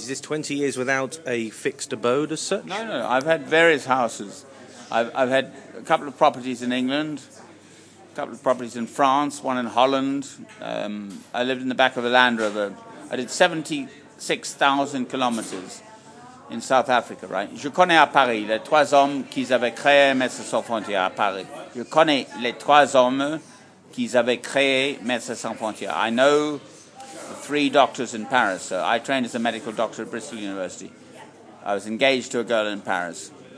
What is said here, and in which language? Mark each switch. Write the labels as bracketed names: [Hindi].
[English] Is this 20 years without a fixed abode as such? No. I've had various houses. I've had a couple of properties in England, a couple of properties in France, one in Holland. I lived in the back of a Land Rover. I did 76,000 kilometres in South Africa, right? [French] Je connais à Paris les trois hommes qu'ils avaient créés Médecins Sans Frontières à Paris. Je connais les trois hommes qu'ils avaient créés Médecins Sans Frontières. [English] I know the three doctors in Paris. So I trained as a medical doctor at Bristol University. I was engaged to a girl in Paris.